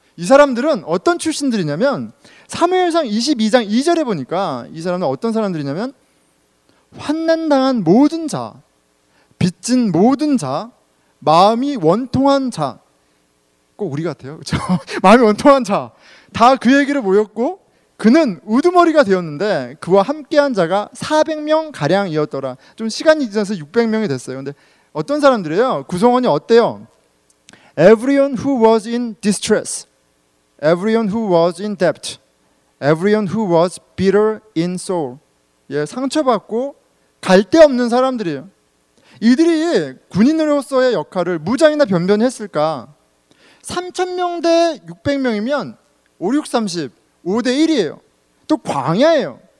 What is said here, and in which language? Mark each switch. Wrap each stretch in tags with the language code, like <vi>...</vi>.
<ko>이 사람들은 어떤 출신들이냐면 사무엘상 22장 2절에 보니까 이 사람은 어떤 사람들이냐면 환난당한 모든 자, 빚진 모든 자, 마음이 원통한 자, 꼭 우리 같아요. 그렇죠? 마음이 원통한 자, 다 그 얘기를 모였고 그는 우두머리가 되었는데 그와 함께한 자가 400명 가량이었더라. 좀 시간이 지나서 600명이 됐어요. 근데 어떤 사람들이에요? 구성원이 어때요?</ko> <en>Everyone who was in distress, everyone who was in debt, everyone who was bitter in soul.</en> <ko>예, 상처받고 갈 데 없는 사람들이에요. 이들이 군인으로서의 역할을 무장이나 변변했을까? 3,000명 대 600명이면 5,630. 5대 1이에요. 또 광야예요.</ko>